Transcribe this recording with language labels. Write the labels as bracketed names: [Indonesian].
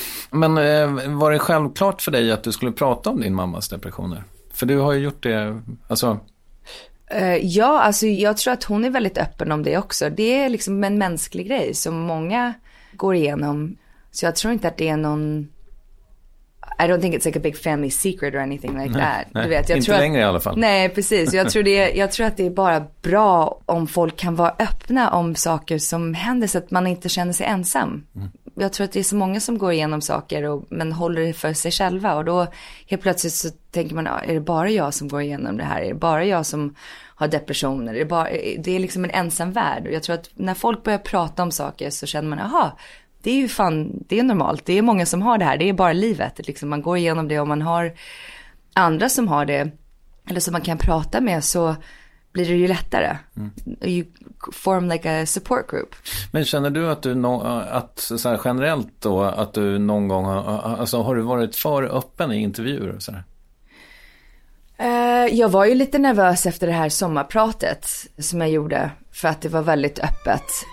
[Swedish] Men var det självklart för dig att du skulle prata om din mammas depressioner? För du har ju gjort det, alltså... Ja, alltså jag tror att hon är väldigt öppen om det också. Det är liksom en mänsklig grej som många går igenom. Så jag tror inte att det är någon... [English] I don't think it's like a big family secret or anything like that. [Swedish] Nej, du vet, jag inte tror att, längre i alla fall. Nej, precis. Jag tror att det är bara bra om folk kan vara öppna om saker som händer så att man inte känner sig ensam. Mm. Jag tror att det är så många som går igenom saker och, men håller det för sig själva. Och då helt plötsligt så tänker man, är det bara jag som går igenom det här? Är det bara jag som har depressioner? Det är liksom en ensam värld. Och jag tror att när folk börjar prata om saker så känner man, aha, det är ju fan, det är normalt. Det är många som har det här, det är bara livet. Liksom, man går igenom det och man har andra som har det, eller som man kan prata med, så blir det ju lättare. Mm. [English] You form like a support group. [Swedish] Men känner du att du att så här generellt då, att du någon gång har, alltså har du varit för öppen i intervjuer och så där? Jag var ju lite nervös efter det här sommarpratet som jag gjorde, för att det var väldigt öppet.